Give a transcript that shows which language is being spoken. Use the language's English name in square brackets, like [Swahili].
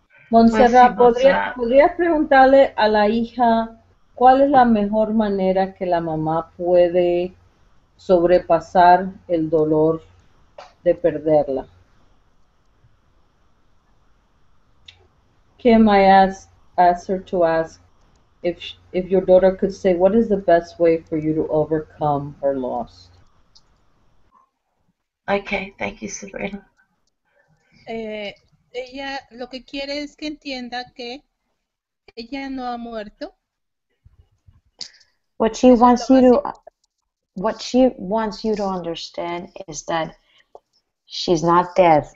[Spanish] Montserrat, ¿podrías preguntarle a la hija cuál es la mejor manera que la mamá puede sobrepasar el dolor de perderla? [English] Kim, I asked her to ask if your daughter could say what is the best way for you to overcome her loss? Okay, thank you, Sabrina. [Spanish] Ella lo que quiere es que entienda que ella no ha muerto. [English] What she wants you to understand is that she's not dead.